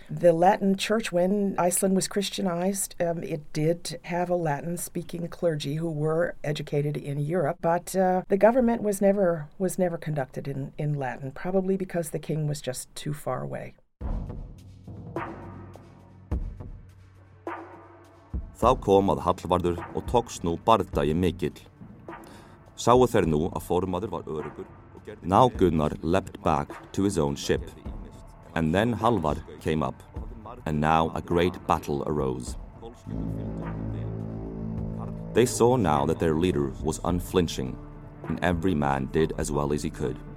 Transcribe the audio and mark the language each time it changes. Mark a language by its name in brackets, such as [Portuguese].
[English] The Latin church, when Iceland was Christianized, it did have a Latin-speaking clergy who were educated in Europe, but the government was never conducted in Latin, probably because the king was just too far away. [Icelandic] Þá kom að Hallvarður og tókst nú bardagi mikill. Sáu þeir nú að formaður var öruggur. [English] Now Gunnar leapt back to his own ship. And then Halvard came up. And now a great battle arose. They saw now that their leader was unflinching, and every man did as well as he could.